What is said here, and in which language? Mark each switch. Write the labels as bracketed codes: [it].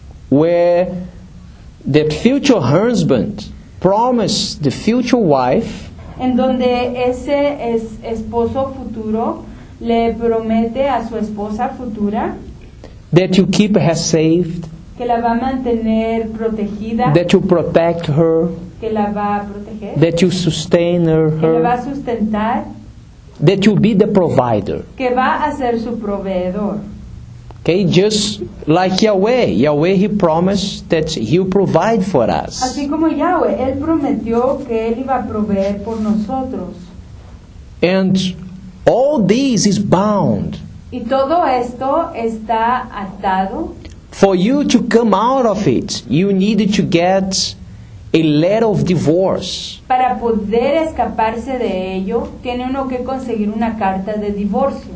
[en] Where the future husband promises the future wife. [es] En donde ese es esposo futuro le promete a su esposa futura. [en] That you keep her saved. [es] Que la va a mantener protegida, [en] that you protect her, [es] que la va a proteger, [en] that you sustain her, [es] que la va a sustentar, [en] that you be the provider, [es] que va a ser su proveedor. [en] Okay, just like Yahweh, he promised that he'll provide for us. [es] Así como Yahweh, él prometió que él iba a proveer por nosotros. [en] And all this is bound. [es] Y todo esto está atado. [en] For you to come out of it, you need to get a letter of divorce. [es] Para poder escaparse de ello, tiene uno que conseguir una carta de divorcio.